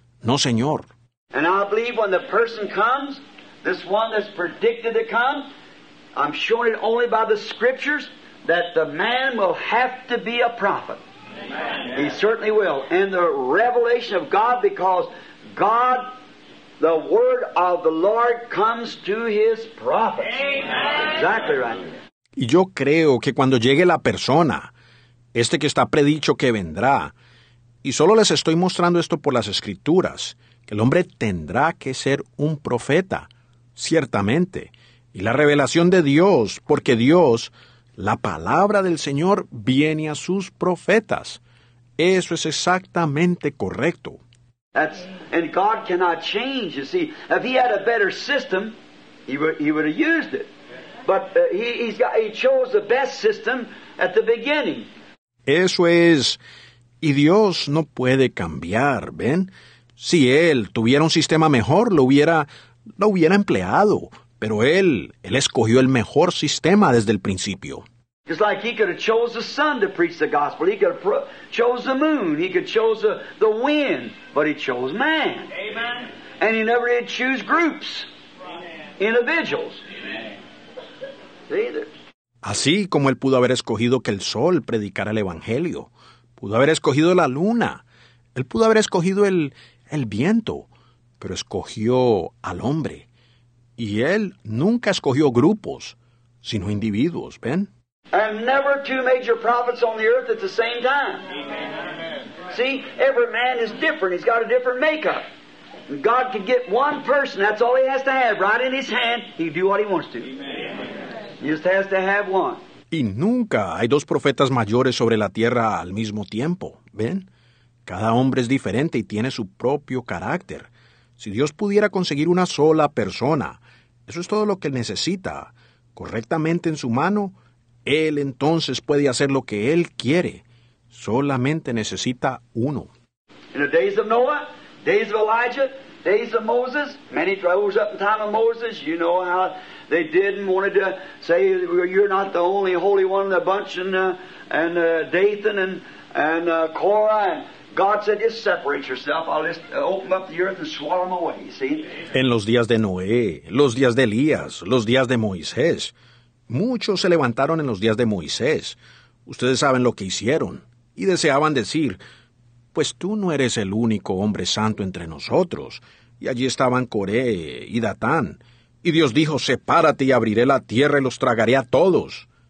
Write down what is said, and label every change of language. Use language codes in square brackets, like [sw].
[es] No, señor. [en] And I believe when the person comes, this one that's predicted to come, I'm showing it only by the scriptures, that the man will have to be a prophet. Amen. He certainly will. And the revelation of God, because God, the word of the Lord, comes to his prophets. Amen. Exactly right. [es] Y yo creo que cuando llegue la persona, este que está predicho que vendrá, y solo les estoy mostrando esto por las escrituras, que el hombre tendrá que ser un profeta, ciertamente. y la revelación de Dios, porque Dios, la palabra del Señor, viene a sus profetas. Eso es exactamente correcto. [en] And God cannot change. You see, if he had a better system, he would have used it. But he chose the best system at the beginning. [es] Eso es. Y Dios no puede cambiar, ¿ven? Si él tuviera un sistema mejor, lo hubiera empleado. Pero él escogió el mejor sistema desde el principio. [en] It's like he could have chose the sun to preach the gospel. He could have chose the moon. He could have chose the wind. But he chose man. Amen. And he never did choose groups. Amen. Individuals. Amen. Either. [es] Así como él pudo haber escogido que el sol predicara el evangelio. Pudo haber escogido la luna. Él pudo haber escogido el viento. Pero escogió al hombre. Y él nunca escogió grupos, sino individuos. ¿Ven? [en] And never two major prophets on the earth at the same time. Amen. See, every man is different. He's got a different makeup. God can get one person. That's all he has to have right in his hand. He can do what he wants to. Amen. He just has to have one. [es] Y nunca hay dos profetas mayores sobre la tierra al mismo tiempo. ¿Ven? Cada hombre es diferente y tiene su propio carácter. Si Dios pudiera conseguir una sola persona, eso es todo lo que necesita, correctamente en su mano, él entonces puede hacer lo que él quiere. Solamente necesita uno. [en] In the days of Noah, days of Elijah, days of Moses, many rose up in time of Moses. You know how they did and wanted to say, you're not the only holy one in the bunch, and Dathan and Korah. And God said, just separate yourself. I'll just open up the earth and swallow them away. You see? [es] En los días de Noé, los días de Elías, los días de Moisés. Muchos se levantaron en los días de Moisés. Ustedes saben lo que hicieron. Y deseaban decir, pues tú no eres el único hombre santo entre nosotros. Y allí estaban Coré y Datán. Y Dios dijo, sepárate y abriré la tierra y los tragaré a todos.